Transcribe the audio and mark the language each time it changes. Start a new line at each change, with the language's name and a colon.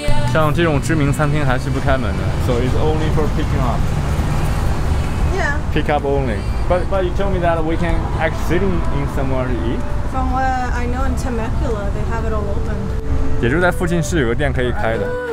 Chinese: 像这种知名餐厅还是不开门的。
English: So it's only for picking up. Yeah. Pick up only. But you told me that we can actually sit in somewhere to eat. From what I know in Temecula, they have it all open.
Chinese: 也就是在附近是有个店可以开的。